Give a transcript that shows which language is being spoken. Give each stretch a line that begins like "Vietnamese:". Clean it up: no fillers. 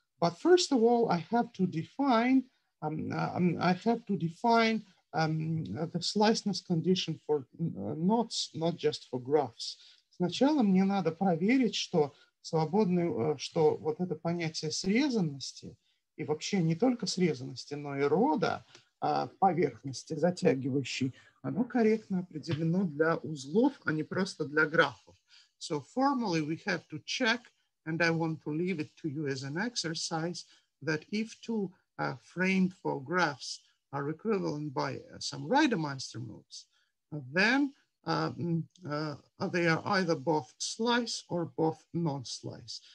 English: But first of all, I have to define the sliceness condition for knots, not just for graphs.
Russian: Сначала мне надо проверить, что свободный, что вот это понятие срезанности и вообще не только срезанности, но и рода поверхности затягивающей, оно корректно определено для узлов, а не просто для графов.
English: So formally we have to check, and I want to leave it to you as an exercise, that if two framed for graphs are equivalent by some Rademeister moves, then they are either both slice or both non-slice.